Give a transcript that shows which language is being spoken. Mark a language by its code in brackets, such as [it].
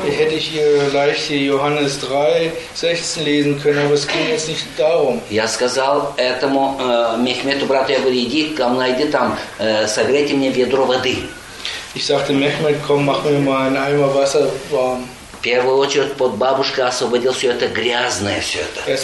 [de] Hätte ich leicht Johannes 3:16 lesen können, aber es ging jetzt nicht darum. [ru] Я сказал этому Мехмету, брату, я говорю, иди, там, найди там, согрейте мне ведро воды. [de] Ich sagte, Mehmet, komm, mach mir mal einen Eimer Wasser warm. [ru] В первую очередь под бабушкой освободил все это грязное все это.